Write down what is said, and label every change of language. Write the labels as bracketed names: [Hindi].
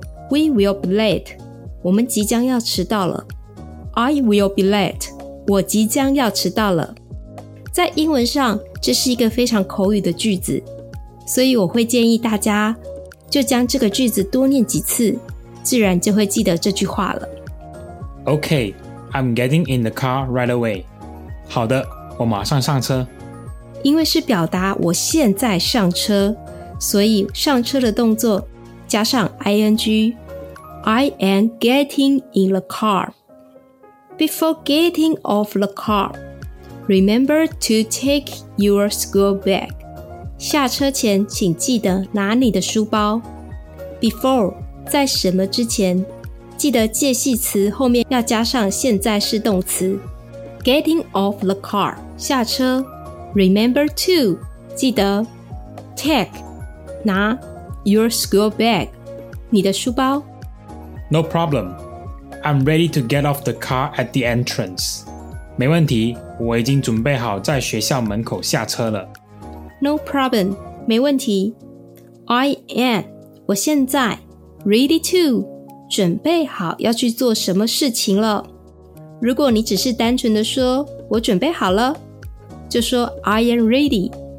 [English] We will be late. [Chinese] 我们即将要迟到了。 [English] I will be late. [Chinese] 我即将要迟到了。在英文上，这是一个非常口语的句子，所以我会建议大家就将这个句子多念几次，自然就会记得这句话了。 [English] Okay, I'm getting in the car right away. [Chinese] 好的，我马上上车。因为是表达我现在上车，所以上车的动作加上 ing， [English] I am getting in the car. Before getting off the car, remember to take your school bag. [Chinese] 下车前请记得拿你的书包。 Before 在什么之前，记得介系词后面要加上现在式动词。 [English] Getting off the car， [Chinese] 下车。 [English] Remember to， [Chinese] 记得。 [English] Take， [Chinese] 拿。 [English] Your school bag， [Chinese] 你的书包。 [English] No problem. I'm ready to get off the car at the entrance. [Chinese] 没问题，我已经准备好在学校门口下车了。 [English] No problem. [Chinese] 没问题。 [English] I am， [Chinese] 我现在 [English] ready to， [Chinese] 准备好要去做什么事情了。如果你只是单纯的说我准备好了，就说 [English] I am ready。